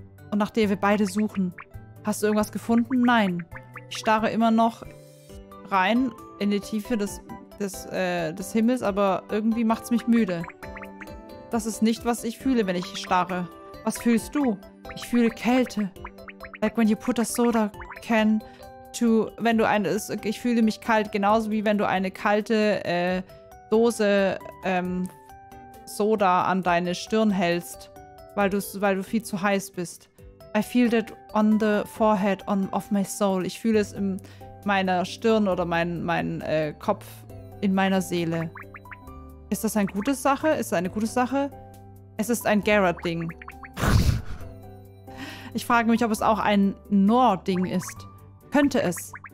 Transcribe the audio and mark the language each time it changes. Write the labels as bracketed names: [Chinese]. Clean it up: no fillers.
[German] Und nach der wir beide suchen. Hast du irgendwas gefunden? Nein. Ich starre immer noch rein in die Tiefe des Himmels, aber irgendwie macht's mich müde. Das ist nicht, was ich fühle, wenn ich starre. Was fühlst du? Ich fühle Kälte. [English] Like when you put a soda can to... [German] Wenn du eine... Ich fühle mich kalt, genauso wie wenn du eine kalte Dose Soda an deine Stirn hältst, weil du viel zu heiß bist. [English] I feel that on the forehead of my soul. [German] Ich fühle es in meiner Stirn oder mein Kopf, in meiner Seele. Ist das eine gute Sache? Ist das eine gute Sache? Es ist ein Garrett-Ding. Ich frage mich, ob es auch ein Nor-Ding ist. Könnte es.